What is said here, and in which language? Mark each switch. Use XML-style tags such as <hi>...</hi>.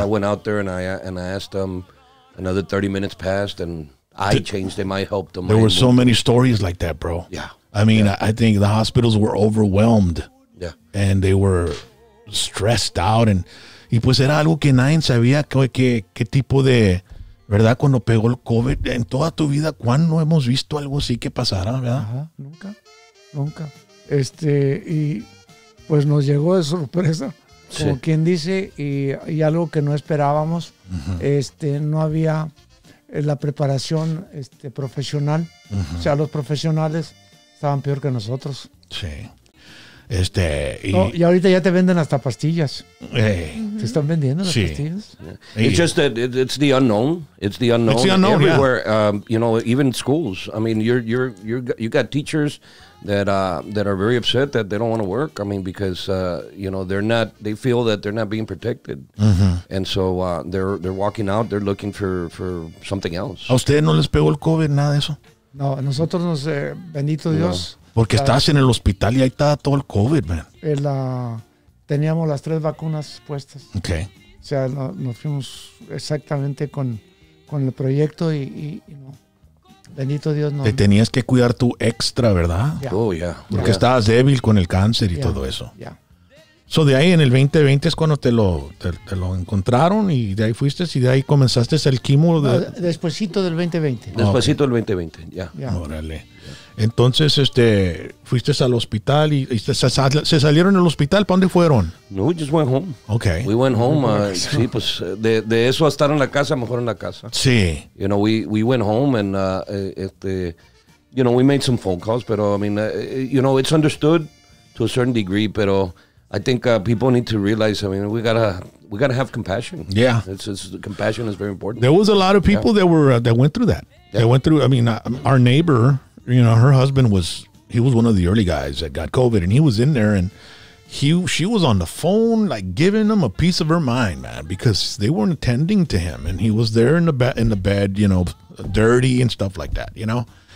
<en>I went out there and I asked him. Another 30 minutes passed, and I changed him. I helped him. There were so many stories like that, bro. Yeah. I mean, I think the hospitals were overwhelmed. And they were stressed out.</en> <es>Y pues era algo que nadie sabía qué tipo de, ¿verdad? Cuando pegó el COVID, en toda tu vida, ¿cuándo hemos visto algo así que pasara, verdad? Ajá, nunca, nunca. Y pues nos llegó de sorpresa, como sí, quien dice, y algo que no esperábamos. Uh-huh. No había la preparación profesional. Uh-huh. O sea, los profesionales estaban peor que nosotros. Sí. Este, y ahorita ya te venden hasta pastillas. Te están vendiendo las pastillas.</es> <en>Yeah. It's just that it's the unknown. It's the unknown. It's the unknown everywhere. Yeah. You know, even schools. I mean, you got teachers that that are very upset that they don't want to work. I mean, because you know, they feel that they're not being protected, and so they're walking out. They're looking for something else.</en> <es>¿A ustedes no les pegó el COVID nada de eso? No, a nosotros nos bendito Dios. Porque estás en el hospital y ahí está todo el COVID, man. Teníamos las tres vacunas puestas.</es> <en>Ok.</en> <es>O sea, nos fuimos exactamente con el proyecto y bendito Dios. No. Te tenías que cuidar tú extra, ¿verdad?</es> <en>Yeah. Oh, yeah.</en> <es>Porque estabas débil con el cáncer y todo eso. Ya. So, de ahí en el 2020 es cuando te lo encontraron y de ahí fuiste y de ahí comenzaste el quimo. Despuésito del 2020. Despuésito del 2020, ya. Órale. Entonces, fuiste al hospital y se salieron del hospital. ¿Para dónde fueron?</es> <en>No, we just went home. Okay. We went home.</en> <es>Sí, pues de eso a estar en la casa, mejor en la casa. Sí.</es> <en>You know, we went home and, you know, we made some phone calls, pero, I mean, you know, it's understood to a certain degree, pero I think people need to realize, I mean, we gotta have compassion. Yeah. Compassion is very important. There was a lot of people that went through that. Yeah. They went through, I mean, our neighbor, you know, her husband was one of the early guys that got COVID, and he was in there, and she was on the phone, like, giving him a piece of her mind, man, because they weren't attending to him, and he was there in the bed, you know, dirty and stuff like that, you know?</en>